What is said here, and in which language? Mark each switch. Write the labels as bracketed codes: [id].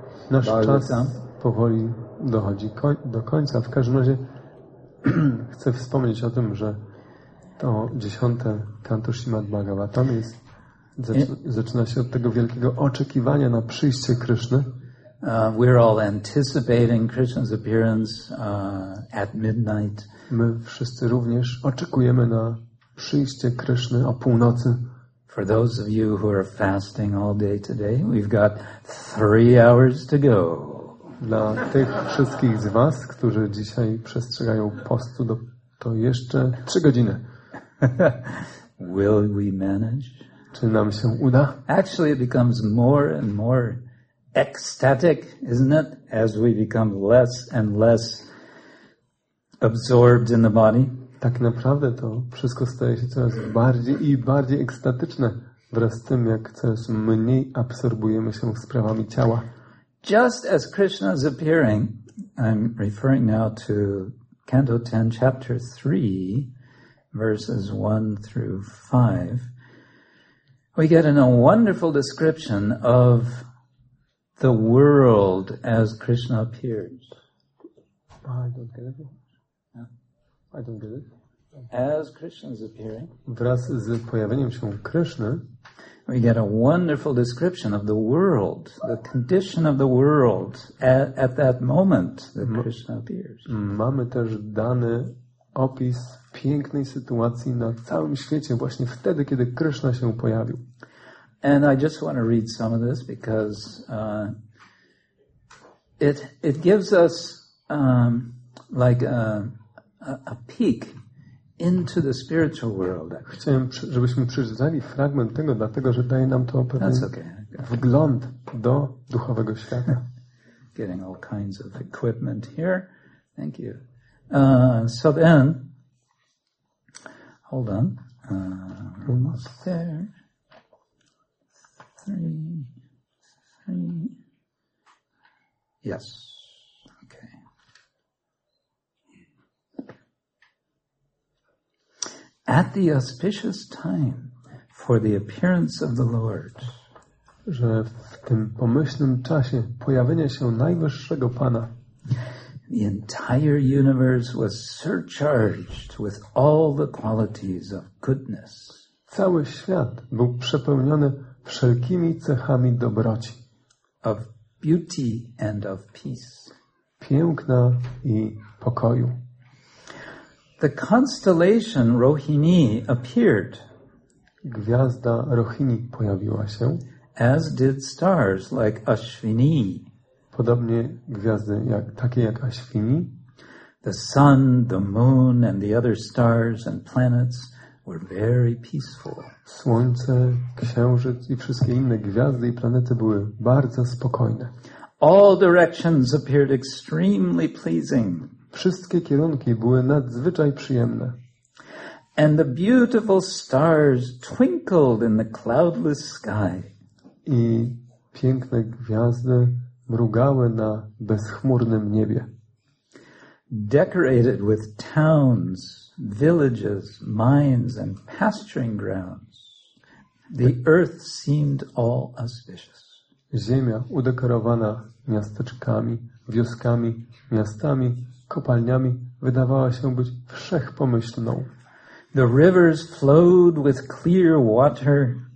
[pl] Nasz czas powoli dochodzi do końca. W każdym razie chcę wspomnieć o tym, że to 10 kanto Śrimad Bhagavatam jest, zaczyna się od tego wielkiego oczekiwania na przyjście Kryszny. [en] We're all anticipating Krishna's appearance at midnight. [pl] My wszyscy również oczekujemy na przyjście Kryszny o północy. [en] For those of you who are fasting all day today, we've got 3 hours to go. [pl] Dla tych wszystkich z was, którzy dzisiaj przestrzegają postu, to jeszcze 3 godziny. [en] Will we manage? [pl] Czy nam się uda? [en] Actually, it becomes more and more ecstatic, isn't it, as we become less and less absorbed in the body? [pl] Tak naprawdę to wszystko staje się coraz bardziej i bardziej ekstatyczne wraz z tym, jak coraz mniej absorbujemy się sprawami ciała. [en] Just as Krishna's appearing, I'm referring now to Canto 10, Chapter 3, verses 1 through 5, we get in a wonderful description of the world as Krishna appears. I don't get it. As Krishna's appearing, [pl] wraz z pojawieniem się Kryszny, [en] we get a wonderful description of the world, the condition of the world at that moment that Krishna appears. [pl] Mamy też dany opis pięknej sytuacji na całym świecie właśnie wtedy, kiedy Kryszna się pojawił. [en] And I just want to read some of this because it gives us like a peek into the spiritual world. [pl] Chciałem, żebyśmy przeczytali fragment tego, dlatego że daje nam to pewien wgląd do duchowego świata. [en] Getting all kinds of equipment here. Thank you. So then, hold on. Almost there. Three. Yes. At the auspicious time for the appearance of the Lord. [pl] Że w tym pomyślnym czasie pojawienia się Najwyższego Pana. [en] The entire universe was surcharged with all the qualities of goodness. [pl] Cały świat był przepełniony wszelkimi cechami dobroci. [en] Of beauty and of peace. [pl] Piękna i pokoju. [en] The constellation Rohini appeared. [pl] Gwiazda Rohini pojawiła się. [en] As did stars like Ashwini. [pl] Podobnie gwiazdy takie jak Ashwini. [en] The sun, the moon and the other stars and planets were very peaceful. [pl] Słońce, księżyc i wszystkie inne gwiazdy i planety były bardzo spokojne. [en] All directions appeared extremely pleasing. [pl] Wszystkie kierunki były nadzwyczaj przyjemne. [en] And the beautiful stars twinkled in the cloudless sky. [pl] I piękne gwiazdy mrugały na bezchmurnym niebie. [en] Decorated with towns, villages, mines and pasturing grounds, the earth seemed all auspicious. [pl] Ziemia udekorowana miasteczkami, wioskami, miastami, kopalniami wydawała się być wszechpomyślną. [en] The rivers flowed with clear water.